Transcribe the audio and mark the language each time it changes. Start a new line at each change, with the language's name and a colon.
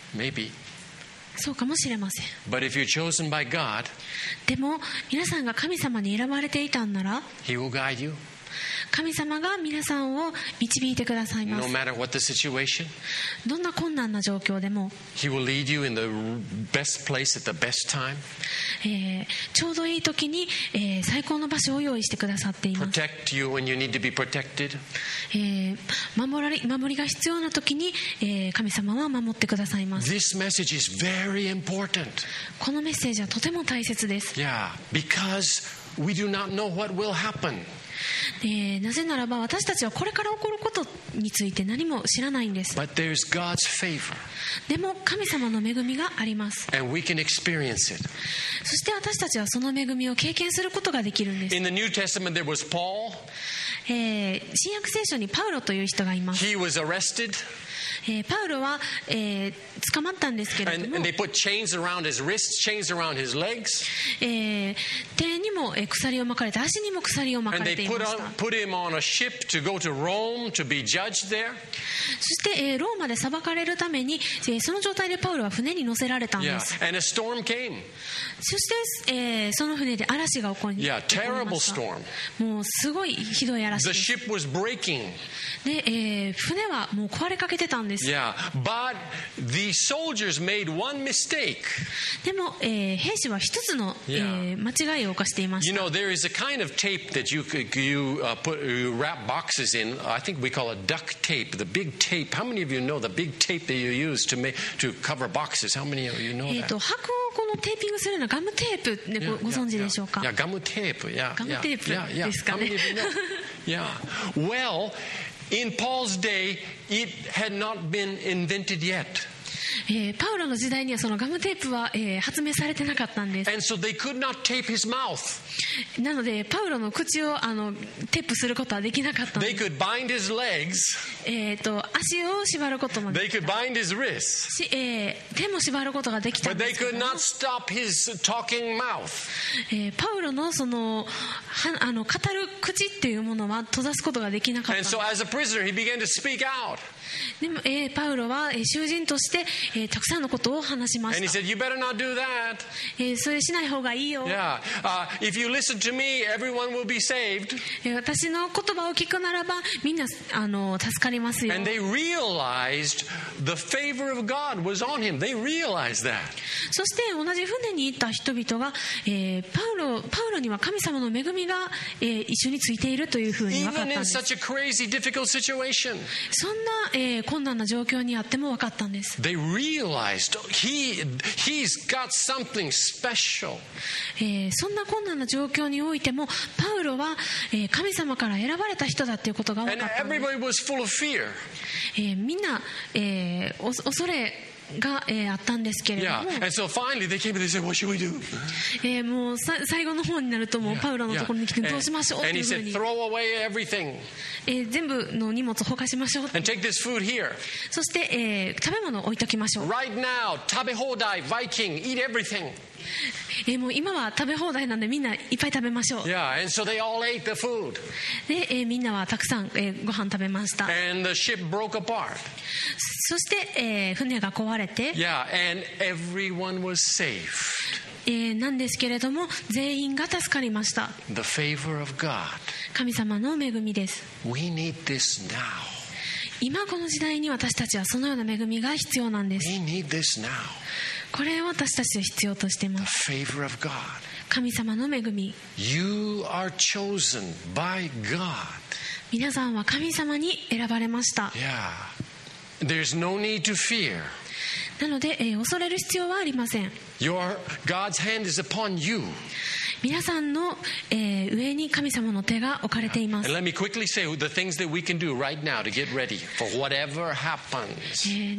English: Maybe.
Japanese: そうかもしれません。
English: But if you're chosen by God,
Japanese: でも皆さんが神様に選ばれていたんなら、
English: He will guide you.
Japanese: 神様が皆さんを導いてくださいます。
English: No matter what the situation,
Japanese: どんな困難な状況でも、
English: He will lead you in the best place at the best time.
Japanese: ちょうどいい時に、最高の場所を用意してくださっています。
English: Protect you when you need to be protected.
Japanese: 守りが必要な時に、神様は守ってくださいます。
English: This message is very important.
Japanese: このメッセージはとても大切です。
English: Yeah, because we do not know what will happen.
Japanese: なぜならば私たちはこれから起こることについて何も知らないんです。
English: But there's God's favor.
Japanese: でも神様の恵みがあります。
English: And we can experience it.
Japanese: そして私たちはその恵みを経験することができるんです。
English: In the New Testament, there was Paul.
Japanese: 新約聖書にパウロという人がいます。
English: He was arrested.
Japanese: パウロは、捕まったんですけれども、
English: and they put chains around his wrists, chains around his legs.
Japanese: 手にも鎖を巻かれて、足にも鎖を巻かれていました。
English: And they put him on a ship to go to Rome to be judged there.
Japanese: そして、ローマで裁かれるために、その状態でパウロは船に乗せられたんです。
English: Yeah. And a storm came.
Japanese: そして、その船で嵐が起こりました。
English: Yeah, terrible storm.
Japanese: もうすごいひどい嵐です。
English: The ship was breaking.
Japanese: で、船はもう壊れかけてたんです。
English: Yeah, but the soldiers made one mistake.
Japanese: でも、兵士は一つの、間違いを犯していました。
English: You know, there is a kind of tape that you wrap boxes in. I think we call it duct tape, the big tape. How many of you know the big tape that you use to cover boxes? How many of you know that?
Japanese: 箱をこのテーピングするのはガムテープで、ご存知でしょうか？
English: Yeah, ガムテープ。Yeah,
Japanese: ガムテープですかね。
English: How many of you know? Yeah. Well, in Paul's day, it had not been invented yet.
Japanese: パウロの時代にはそのガムテープは、発明されてなかったんです。
English: And so they could not tape his mouth.
Japanese: なのでパウロの口をテープすることはできなかったんです。
English: They could bind his legs.
Japanese: 足を縛ることもでき
English: た。They could bind his wrists.
Japanese: 手も縛ることができたんですけど。
English: But they could not stop his talking mouth.
Japanese: パウロのその語る口っていうものは閉ざすことができなかったんです。
English: And so as a prisoner, he began to speak out.
Japanese: でも、パウロは、囚人として、たくさんのことを話しました。
English: And he said, you better not do that.
Japanese: それしない方がいいよ。
English: Yeah. If you listen to me, everyone will be saved.
Japanese: 私の言葉を聞くならばみんな助かりますよ。
English: And they realized the favor of God was on him. They realized that.
Japanese: そして同じ船に行った人々が、パウロには神様の恵みが、一緒についているというふうに分かったんです。
English: Even in such a crazy, difficult situation.
Japanese: そんな困難な状況にあっても分かったんです。
English: They realized he's got something special.
Japanese: そんな困難な状況においてもパウロは、神様から選ばれた人だということが分かったんです。
English: And everybody was full of fear.
Japanese: みんな、恐れが、あったんですけれども、
English: yeah. And so finally they came and they said, what should we do?
Japanese: もう最後の方になるともうパウロのところに来て、どうしましょうというふうに。
English: And he said, throw away everything.
Japanese: 全部の荷物をほかしましょう。
English: And take this food here.
Japanese: そして、食べ物を置いときましょう。
English: Right now, 食べ放題、Viking, eat everything.
Japanese: もう今は食べ放題なんでみんないっぱい食べましょう。
English: Yeah, and so they all ate the food.
Japanese: で、みんなはたくさん、ご飯食べました。
English: And the ship broke apart.
Japanese: そして、船が壊れて。
English: Yeah, and everyone was saved.
Japanese: なんですけれども全員が助かりました。
English: The favor of God.
Japanese: 神様の恵みです。
English: We need this now.
Japanese: 今この時代に私たちはそのような恵みが必要なんです。
English: We need this now.
Japanese: これを私たちは必要としています。
English: The favor of God.
Japanese: 神様の恵み。
English: You are chosen by God.
Japanese: 皆さんは神様に選ばれました。
English: Yeah. There's no need to fear.
Japanese: なので、恐れる必要はありません。
English: Your God's hand is upon you.
Japanese: 皆さんの、上に神様の手が置かれています。
English: And let me quickly say the things that we can do right now to get ready for whatever happens.